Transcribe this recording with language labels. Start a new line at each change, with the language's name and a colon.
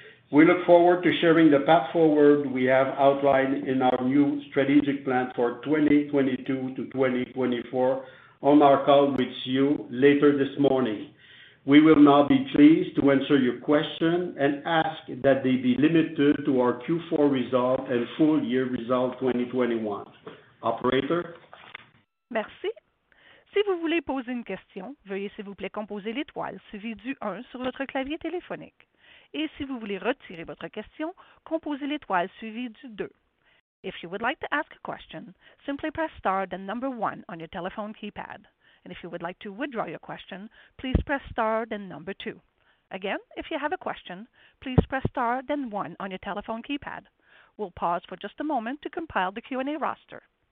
English: We look forward to sharing the path forward we have outlined in our new strategic plan for 2022 to 2024 on our call with you later this morning. We will now be pleased to answer your question and ask that they be limited to our Q4 result and full year result 2021. Operator?
French: Merci. Si vous voulez poser une question, veuillez s'il vous plaît composer l'étoile suivie du 1 sur votre clavier téléphonique. Et si vous voulez retirer votre question, composez l'étoile suivie du 2.
English: If you would like to ask a question, simply press star then number 1 on your telephone keypad. And if you would like to withdraw your question, please press star then number 2. Again, if you have a question, please press star then 1 on your telephone keypad. We'll pause for just a moment to compile the Q&A roster.